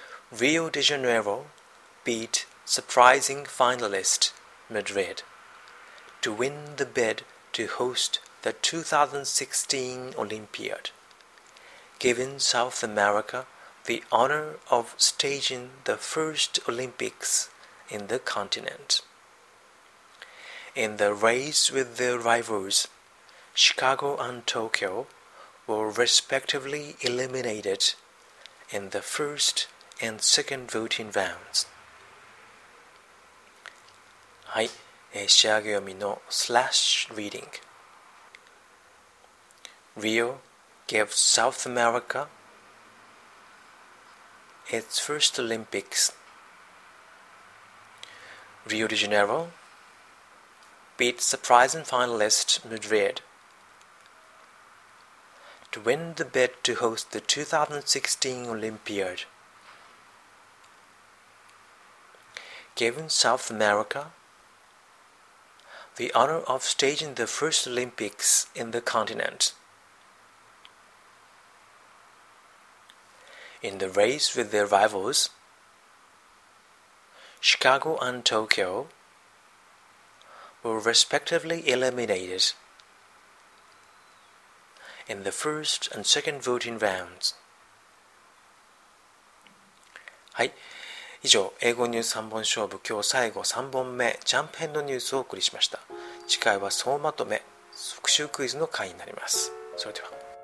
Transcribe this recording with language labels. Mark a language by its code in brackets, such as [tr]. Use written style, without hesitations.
[en] Rio de Janeiro beat surprising finalist Madrid to win the bid to host the 2016 Olympiad, giving South America the honor of staging the first Olympics in the continent. In the race with their rivals, Chicago and Tokyo were respectively eliminated in the first and second voting rounds. [ja] はい、仕上げ読みのスラッシュリーディング。 Rio [en] gave South America its first Olympics. Rio de Janeiro beat surprising finalist Madrid to win the bid to host the 2016 Olympiad, giving South America the honor of staging the first Olympics in the continent. In the race with their rivals, Chicago and Tokyo were respectively eliminated in the first and second voting rounds. [ja] はい、以上、英語ニュース3本勝負、今日最後3本目、ジャンプ編のニュースをお送りしました。次回は総まとめ、復習クイズの回になります。それでは。